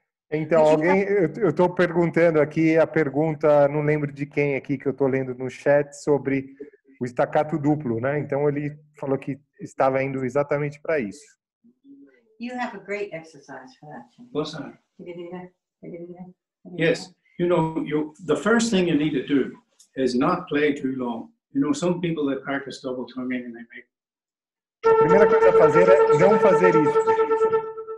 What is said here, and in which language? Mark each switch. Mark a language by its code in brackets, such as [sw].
[pt] Então, alguém, eu estou perguntando aqui, a pergunta, não lembro de quem aqui que eu estou lendo no chat, sobre o staccato duplo, né? Então, ele falou que estava indo exatamente para isso. [en] You have a great exercise for that. Yes, you know, the first thing you need to do is not play too long. You know, some people that practice double tonguing and they make... [pt] A primeira coisa a fazer é não fazer isso.